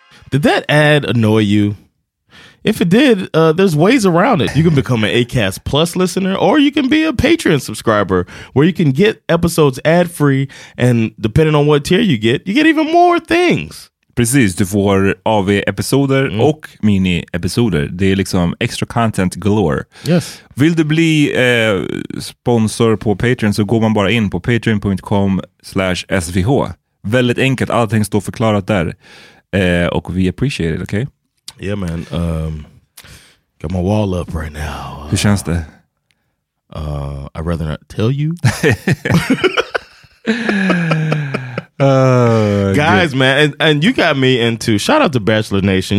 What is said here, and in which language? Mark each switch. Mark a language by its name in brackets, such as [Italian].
[English] Did that ad annoy you? If it did, there's ways around it. You can become an Acast Plus listener, or you can be a Patreon subscriber where you can get episodes ad-free, and depending on what tier you get even more things. [Swedish] Precis, du får AV-episoder och mini-episoder. Det är liksom extra [English] content galore. Yes. [Swedish] Vill du bli sponsor på Patreon så går man bara in på patreon.com/svh. Väldigt enkelt, allting står förklarat där. Och vi [English] appreciate it, [Swedish] okej? [English] Okay? Yeah man, got my wall up right now. [Swedish] Hur känns det? [English] I'd rather not tell you. guys, good. Man, and you got me into, shout out to Bachelor Nation.